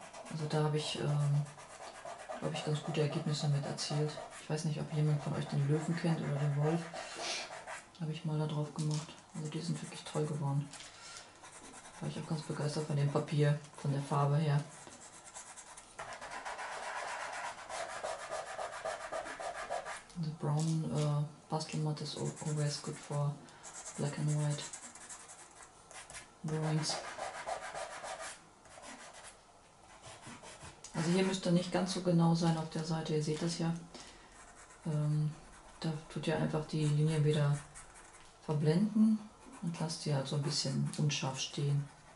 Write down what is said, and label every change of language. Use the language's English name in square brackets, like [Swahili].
[German] Also da habe ich, glaube ich, ganz gute Ergebnisse mit erzielt. Ich weiß nicht, ob jemand von euch den Löwen kennt oder den Wolf. Habe ich mal da drauf gemacht. Also die sind wirklich toll geworden. War ich auch ganz begeistert von dem Papier, von der Farbe her. [English] The brown bustle mat is always good for black and white drawings. [German] Also hier müsst ihr nicht ganz so genau sein auf der Seite, ihr seht das ja. Da tut ihr einfach die Linie wieder verblenden und lasst sie halt so ein bisschen unscharf stehen.